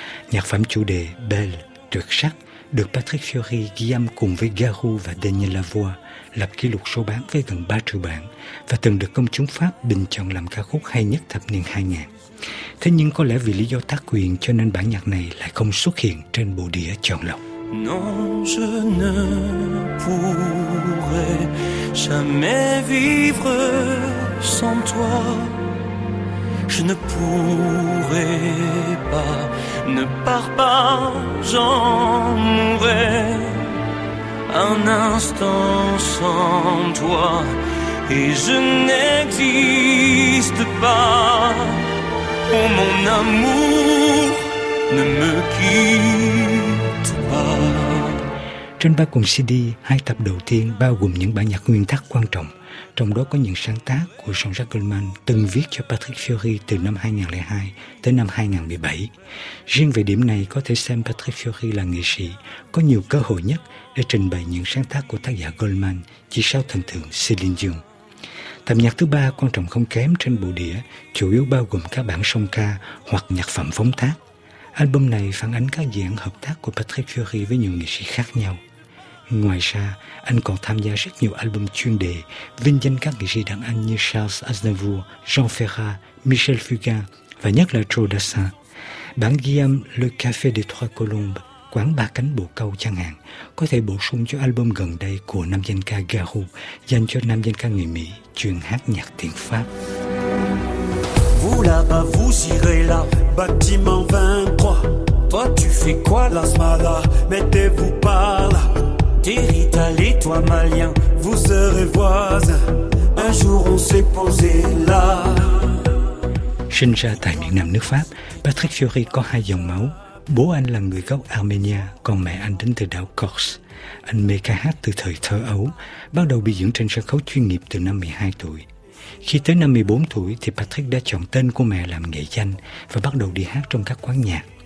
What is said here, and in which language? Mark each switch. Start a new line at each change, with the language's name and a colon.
Vietnamese: Nhạc phẩm chủ đề Belle, tuyệt sắc, được Patrick Fiori ghi âm cùng với Garou và Daniel Lavoie, lập kỷ lục số bán với gần 3 triệu bản và từng được công chúng Pháp bình chọn làm ca khúc hay nhất thập niên 2000. Thế nhưng có lẽ vì lý do tác quyền cho nên bản nhạc này lại không xuất hiện trên bộ đĩa chọn lọc.
French: Non, je ne pourrai jamais vivre sans toi. Je ne pourrai pas, ne pars pas, j'en mourrai. Un instant sans toi et je n'existe pas. Oh mon amour, ne me quitte pas.
Vietnamese: Trên ba cuốn CD, hai tập đầu tiên bao gồm những bản nhạc nguyên tác quan trọng, trong đó có những sáng tác của Jean-Jacques Goldman từng viết cho Patrick Fiori từ năm 2002 tới năm 2017. Riêng về điểm này, có thể xem Patrick Fiori là nghệ sĩ có nhiều cơ hội nhất để trình bày những sáng tác của tác giả Goldman chỉ sau thần tượng Celine Dion. Tập nhạc thứ ba quan trọng không kém trên bộ đĩa, chủ yếu bao gồm các bản song ca hoặc nhạc phẩm phóng tác. Album này phản ánh các diễn hợp tác của Patrick Fiori với nhiều nghệ sĩ khác nhau. Ngoài ra, anh còn tham gia rất nhiều album chuyên đề, vinh danh các nghệ sĩ đàn anh như Charles Aznavour, Jean Ferrat, Michel Fugain và nhất là Joe Dassin. Bản ghi âm Le Café des Trois Colombes, Quán Ba Cánh Bồ Câu chẳng hạn, có thể bổ sung cho album gần đây của nam danh ca Garou, dành cho nam danh ca người Mỹ, chuyên hát nhạc tiếng Pháp.
French: Vous là-bas, vous irez là, bâtiment 23. Toi, tu fais quoi, la smala? Mettez-vous par là. T'es italien, toi, malien, vous serez voisins. Un jour, on s'est posé là.
Vietnamese: Sinh ra tại miền Nam nước Pháp, Patrick Fiori có hai dòng máu. Bố anh là người gốc Armenia, còn mẹ anh đến từ đảo Corse. Anh mê ca hát từ thời thơ ấu, bắt đầu biểu diễn trên sân khấu chuyên nghiệp từ năm 12 tuổi. Khi tới năm 14 tuổi thì Patrick đã chọn tên của mẹ làm nghệ danh và bắt đầu đi hát trong các quán nhạc.